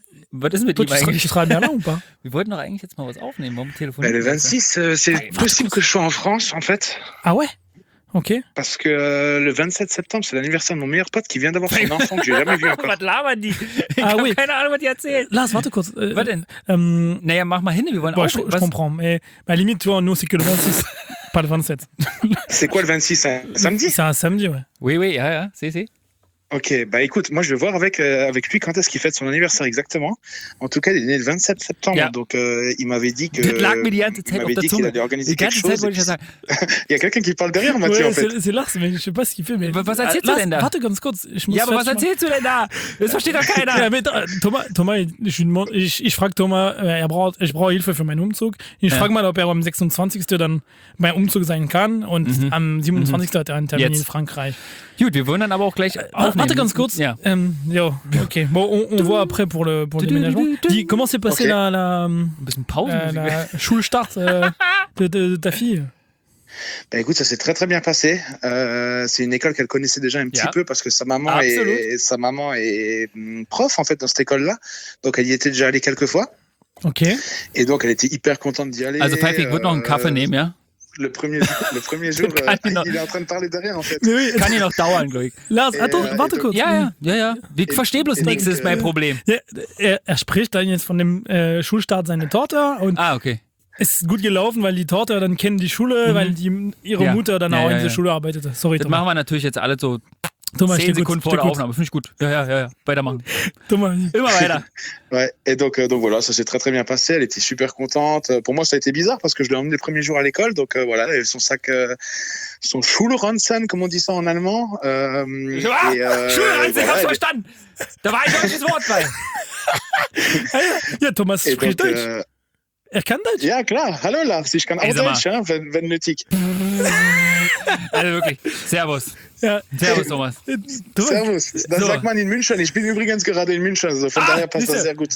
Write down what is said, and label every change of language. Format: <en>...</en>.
<de>Was ist mit dir eigentlich?</de> <fr>Tu seras à Berlin ou pas?</fr> <de>Wir wollten doch eigentlich jetzt mal was aufnehmen, warum telefonieren?</de> <fr>Bah, le 26, c'est possible que je sois en France, en fait. Ah ouais? Ok. Parce que le 27 septembre, c'est l'anniversaire de mon meilleur pote qui vient d'avoir son enfant que j'ai jamais vu encore.</fr> <de>Was labern die?</de> <fr>Ah oui.</fr> <de>Keine Ahnung, was die erzählen. Lars, warte kurz. Was denn? Naja, mach mal hin, wir wollen auch.</de> <fr>Je comprends. Mais la limite, toi, nous, c'est que le 26. Pas le 27. C'est quoi le 26? Un samedi? C'est un samedi, ouais. Oui, oui, ouais, ouais. Si, si. Ok, bah écoute, moi je vais voir avec lui quand est-ce qu'il fête son anniversaire exactement. En tout cas, il est né le 27 septembre, yeah. Donc il m'avait dit que qu'il allait organiser quelque chose. Il y a quelqu'un qui parle derrière, Mathieu, ouais, en fait. C'est Lars, mais je sais pas ce qu'il fait. Mais</fr> <de>was erzählst du denn da? Warte ganz kurz. Ja, aber was erzählst du denn da? Das versteht doch keiner. Ja,</de> <fr>mais</fr> <de>Thomas, ich frage Thomas, ich brauche Hilfe für meinen Umzug. Ich frage mal, ob er am 26. dann mein Umzug sein kann. Und am 27. hat er einen Termin in Frankreich. Gut, wir wollen dann aber auch gleich aufnehmen. Warte ganz kurz. Ja. Jo, okay.</de> <fr>Bon, on voit après pour le déménagement. Comment s'est passé la</fr> <de>Ein bisschen Pause.</de> <fr>La Schulstart de ta fille? Ben écoute, ça s'est très très bien passé. C'est une école qu'elle connaissait déjà un petit peu parce que sa maman est prof en fait dans cette école-là. Donc elle y était déjà allée quelques fois. Ok. Et donc elle était hyper contente d'y aller.</fr> <de>Also, Pfeiffer, ich würde noch einen Kaffee nehmen, ja?</de> <fr>Le premier jour, il est en train de parler derrière, en fait. Mais oui.</fr> <de>Kann il noch dauern, Loïc. Lars,</de> <fr>attends,</fr> <de>warte kurz. Ja, ja, ja, ja. Ich verstehe bloß nichts, das ist mein Problem. Ja, er spricht dann jetzt von dem Schulstart seiner Tochter und ah, okay. Es ist gut gelaufen, weil die Tochter dann kennt die Schule, weil ihre Mutter dann auch in der Schule arbeitete. Sorry, das machen wir natürlich jetzt alle so 10 Sekunden vor der Aufnahme. Finde ich gut. Ja, ja, ja, ja. Weitermachen. Thomas. Immer weiter.</de> <fr>Ouais. Et donc voilà, ça s'est très très bien passé. Elle était super contente. Pour moi, ça a été bizarre parce que je l'ai emmené le premier jour à l'école. Donc voilà, elle avait son sac, son Schulranzen, comme on dit ça en allemand.</fr> <de>Schulranzen, voilà, hab's verstanden. Da war ein deutsches Wort bei. Ja, Thomas spricht Deutsch. Er kann Deutsch? Ja, klar. Hallo Lars, ich kann auch Deutsch, hein, wenn nötig. Also wirklich, Servus. Ja. Servus, Thomas. Servus, das sagt man in München. Ich bin übrigens gerade in München, also von daher passt das sehr gut.</de>